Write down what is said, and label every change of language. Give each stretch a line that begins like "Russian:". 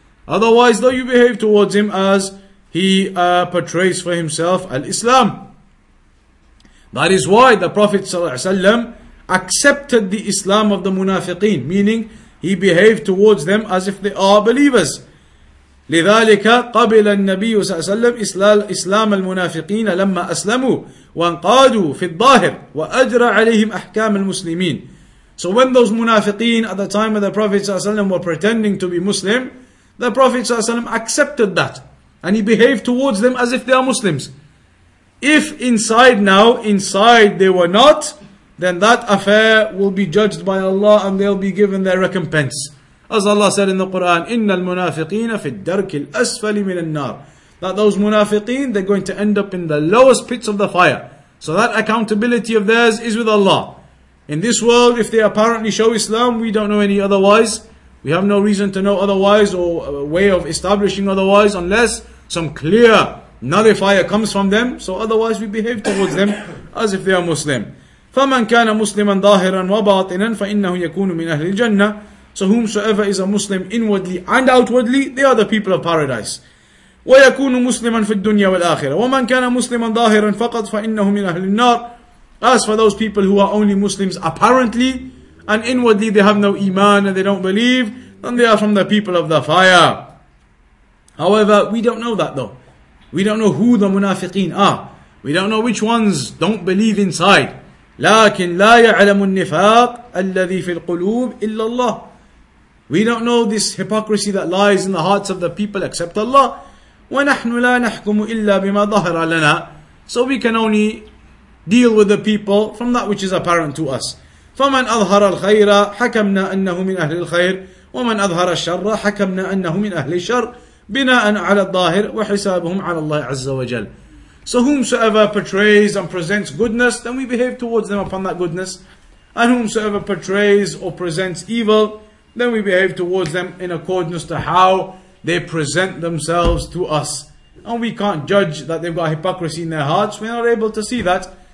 English: Otherwise, though, you behave towards him as he portrays for himself al-Islam. That is why the Prophet ﷺ accepted the Islam of the munafiqeen, meaning he behaved towards them as if they are believers.
Arabic: لذلك قبل النبي صلى الله عليه وسلم إسلام المنافقين لما أسلموا وانقادوا في الظاهر وأجرى عليهم أحكام المسلمين.
English: So when those munafiqeen at the time of the Prophet صلى الله عليه وسلم were pretending to be Muslim, the Prophet صلى الله عليه وسلم accepted that and he behaved towards them as if they are Muslims. If inside they were not, then that affair will be judged by Allah and they'll be given their recompense. As Allah said in the Quran,
Arabic: إِنَّ الْمُنَافِقِينَ فِي الدَّرْكِ الْأَسْفَلِ مِنَ النَّارِ
English: That those munafiqeen, they're going to end up in the lowest pits of the fire. So that accountability of theirs is with Allah. In this world, if they apparently show Islam, we don't know any otherwise. We have no reason to know otherwise or a way of establishing otherwise unless some clear nullifier comes from them. So otherwise we behave towards them as if they are Muslim.
Arabic: فَمَنْ كَانَ مُسْلِمًا ظَاهِرًا وَبَاطِنًا فَإِنَّهُ يَكُونُ مِنْ أَهْلِ الْجَنَّةِ
English: So whomsoever is a Muslim inwardly and outwardly, they are the people of paradise.
Arabic: ويكون مسلما في الدنيا والآخرة ومن كان مسلما ظاهرا فقط فإنه من أهل النار.
English: As for those people who are only Muslims apparently and inwardly they have no iman and they don't believe, then they are from the people of the fire. However, we don't know that though. We don't know who the munafiqeen are. We don't know which ones don't believe inside.
Arabic: لكن لا يعلم النفاق الذي في القلوب إلا الله.
English: We don't know this hypocrisy that lies in the hearts of the people except Allah.
Arabic: ونحن لا نحكم إلا بما ظهر لنا.
English: So we can only deal with the people from that which is apparent to us.
Arabic: فمن أظهر الخير حكمنا أنه من أهل الخير ومن أظهر الشر حكمنا أنه من أهل الشر بناء على الظاهر وحسابهم على الله عز وجل.
English: So whomsoever portrays and presents goodness, then we behave towards them upon that goodness. And whomsoever portrays or presents evil, then we behave towards them in accordance to how they present themselves to us. And we can't judge that they've got hypocrisy in their hearts. We're not able to see that.